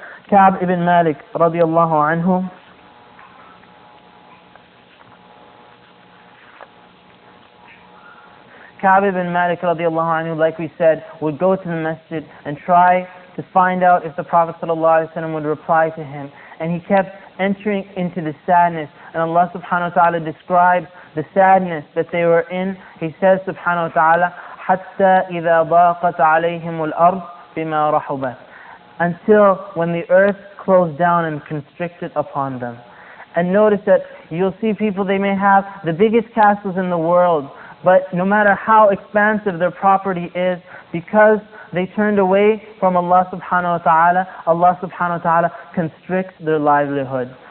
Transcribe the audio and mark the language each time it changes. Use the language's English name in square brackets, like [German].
[English] Ka'b ibn Malik radiallahu anhu, Ka'b ibn Malik radiallahu anhu, like we said, would go to the masjid and try to find out if the Prophet sallallahu alayhi wa sallam would reply to him. And he kept entering into the sadness. And Allah subhanahu wa ta'ala describes the sadness that they were in. He says [Arabic] subhanahu wa ta'ala, حَتَّى إِذَا ضَاقَتْ عَلَيْهِمُ الْأَرْضِ بِمَا رَحُبَتْ. [English] Until when the earth closed down and constricted upon them. And notice that you'll see people, they may have the biggest castles in the world, but no matter how expansive their property is, because they turned away from Allah subhanahu wa ta'ala, Allah subhanahu wa ta'ala constricts their livelihood.